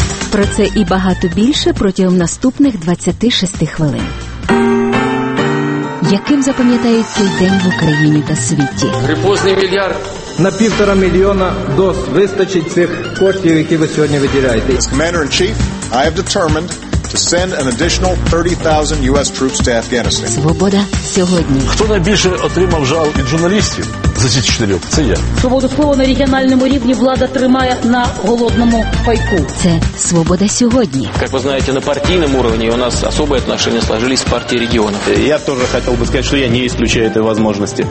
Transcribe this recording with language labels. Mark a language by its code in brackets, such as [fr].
[uk] Про це і багато більше протягом наступних 26 хвилин. Яким запам'ятають цей день в Україні та світі? Грипозний мільярд. На 1.5 мільйона доз вистачить цих коштів, які ви сьогодні виділяєте. [en] As Commander-in-Chief, I have determined to send an additional 30,000 US troops to Afghanistan. [uk] Свобода сьогодні. Хто найбільше отримав жал від журналістів за ці 4? Це я. Свободу слова на регіональному рівні влада тримає на голодному пайку. Це «Свобода сьогодні». Як ви знаєте, на партійному рівні у нас особе відношення сложились в партії регіонів. Я теж хотів би сказати, що я не ісключаю цієї можливості.